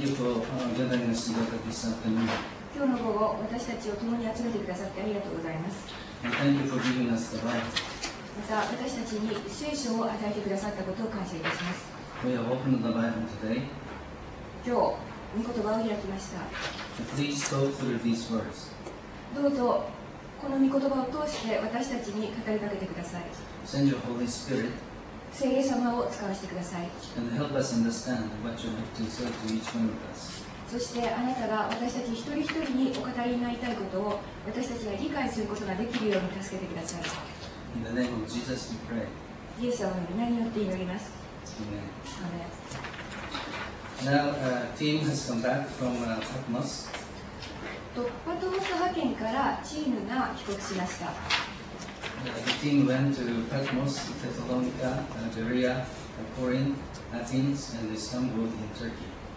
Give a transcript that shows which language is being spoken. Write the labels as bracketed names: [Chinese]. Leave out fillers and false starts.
[English] you for gathering us together this afternoon. [Japanese] 今日の午後、私たちを共に集めてくださってありがとうございます。 [English] And thank you for giving us the Bible. [Japanese] また、私たちに聖書を与えてくださったことを感謝いたします。 [English] We have opened the Bible today. [Japanese] 今日、御言葉を開きました。 [English] Please go through these words. [Japanese] どうぞ、この御言葉を通して私たちに語りかけてください。 [English] Send your Holy Spirit. [Japanese] 聖霊様を使わせてください。 [English] And help us understand what you have to say to each one of us. [Japanese] そしてあなたが私たち一人一人にお語りになりたいことを私たちが理解することができるように助けてください。 [English] In the name of Jesus, we pray. [Japanese] イエス様の名によって祈ります。 [English] Amen. Now, team has come back from Patmos. [Japanese] 突破トモス派遣からチームが帰国しました。 [English] The team went to Patmos, Thessalonica, Berea, Corinth, Athens, and Istanbul in Turkey.